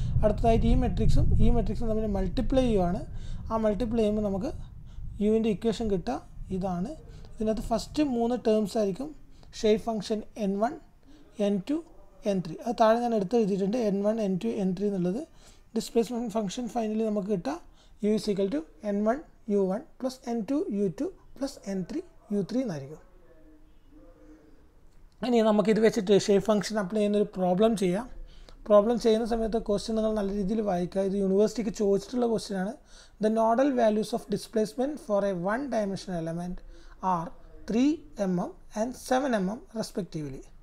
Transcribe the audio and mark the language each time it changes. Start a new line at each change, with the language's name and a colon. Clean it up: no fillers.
Malayalam: അടുത്തതായിട്ട് ഈ മെട്രിക്സും ഈ മെട്രിക്സും തമ്മിൽ മൾട്ടിപ്ലൈ ചെയ്യുവാണ്. ആ മൾട്ടിപ്ലൈ ചെയ്യുമ്പോൾ നമുക്ക് യുവിൻ്റെ ഇക്വേഷൻ കിട്ടുക. ഇതാണ് ഇതിനകത്ത് ഫസ്റ്റ് മൂന്ന് ടേംസ് ആയിരിക്കും shape function N one N two N three. അത് താഴെ ഞാൻ എടുത്ത് എഴുതിയിട്ടുണ്ട് N one N two N three എന്നുള്ളത്. ഡിസ്പ്ലേസ്മെൻറ്റ് ഫംഗ്ഷൻ ഫൈനലി നമുക്ക് കിട്ടുക U is equal to N one u1 plus n2 u2 plus n3 u3 എന്നായിരിക്കും. ഇനി നമുക്കിത് വെച്ചിട്ട് ഷേപ്പ് ഫംഗ്ഷൻ അപ്ലൈ ചെയ്യുന്നൊരു പ്രോബ്ലം ചെയ്യാം. പ്രോബ്ലം ചെയ്യുന്ന സമയത്ത് ക്വസ്റ്റ്യൻ നിങ്ങൾ നല്ല രീതിയിൽ വായിക്കുക. ഇത് യൂണിവേഴ്സിറ്റിക്ക് ചോദിച്ചിട്ടുള്ള ക്വസ്റ്റ്യൻ ആണ്.
English: The nodal values of displacement for a one dimension element are 3mm and 7mm respectively.